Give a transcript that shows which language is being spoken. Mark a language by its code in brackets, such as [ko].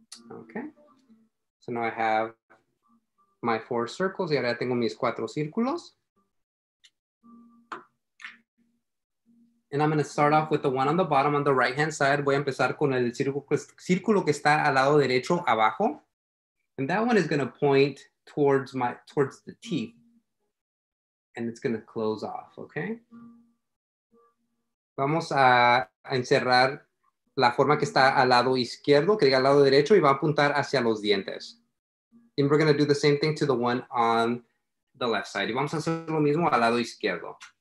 [en] Okay. So now I have my four circles, [es] y ahora tengo mis cuatro círculos. [en] And I'm going to start off with the one on the bottom on the right hand side. [es] Voy a empezar con el círculo que está al lado derecho abajo. [en] And that one is going to point towards the teeth. And it's going to close off, okay? [es] Vamos a encerrar la forma que está al lado izquierdo, que diga al lado derecho, y va a apuntar hacia los dientes. [en] And we're going to do the same thing to the one on the left side. [es] Y vamos a hacer lo mismo al lado izquierdo.